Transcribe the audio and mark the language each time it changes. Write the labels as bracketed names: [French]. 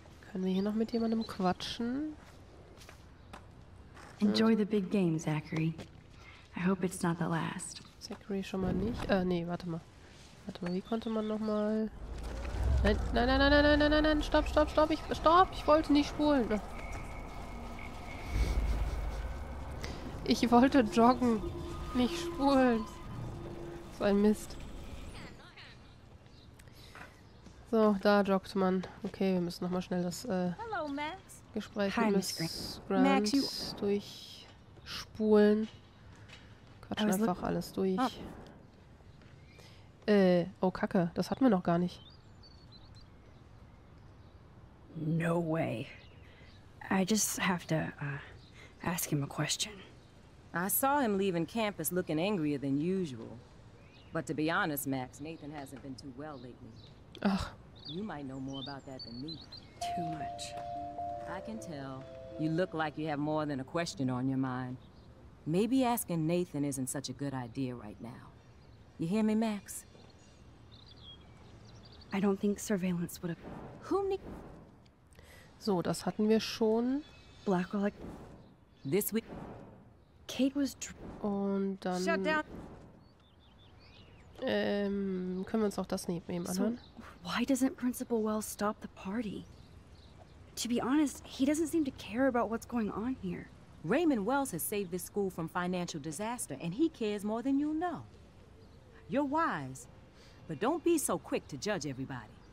[German] Können wir hier noch mit jemandem quatschen? [English] Enjoy the big game, Zachary. I hope it's not the last. [German] Zachary schon mal nicht. Warte mal, wie konnte man noch mal? Nein, stopp, ich wollte nicht spulen. Ich wollte joggen, nicht spulen. So ein Mist. So, da joggt man. Okay, wir müssen noch mal schnell das Gespräch mit Miss Grant durchspulen. Quatschen einfach alles durch. Oh Kacke, das hatten wir noch gar nicht. [English] No way. I just have to ask him a question. I saw him leaving campus looking angrier than usual. But to be honest, Max, Nathan hasn't been too well lately. Ugh. You might know more about that than me. Too much. I can tell. You look like you have more than a question on your mind. Maybe asking Nathan isn't such a good idea right now. You hear me, Max? I don't think surveillance would have... Who ne- [German] So, das hatten wir schon. [English] Blackwell, like... This week... Kate was... Und dann... Shut down! [German] Können wir uns auch das neben ihm anhören? [English] So, why doesn't Principal Wells stop the party? To be honest, he doesn't seem to care about what's going on here. Raymond Wells has saved this school from financial disaster, and he cares more than you'll know. You're wise, but don't be so quick to judge everybody.